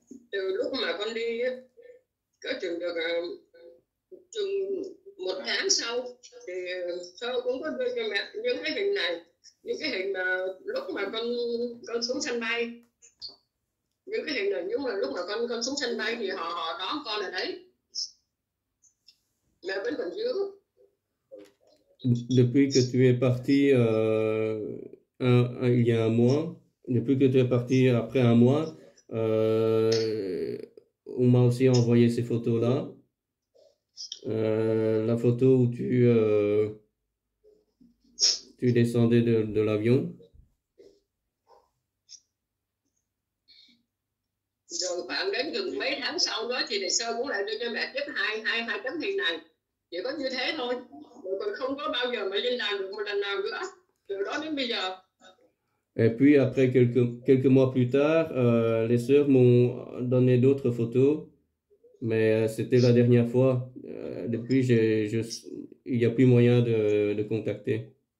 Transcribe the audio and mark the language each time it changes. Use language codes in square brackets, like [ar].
[vi] Từ lúc mà con đi có chừng được chừng một tháng sau thì sau cũng có đưa cho mẹ những cái hình này, những cái hình mà lúc mà con xuống sân bay, những cái hình này, nhưng mà lúc mà con xuống sân bay thì họ đón con ở đấy, mẹ vẫn còn giữ. [fr] Depuis que tu es parti il y a un mois, depuis que tu es parti après un mois, on m'a aussi envoyé ces photos-là. La photo où tu descendais de l'avion. [vi] Rồi khoảng đến gần mấy tháng sau đó thì đại sơ cũng lại đưa cho mẹ tiếp hai tấm hình này, chỉ có như thế thôi, rồi còn không có bao giờ mà liên lạc được một lần nào nữa từ đó đến bây giờ. [fr] Et puis après quelques mois plus tard, les sœurs m'ont donné d'autres photos, mais c'était la dernière fois. Depuis, il n'y a plus moyen de contacter.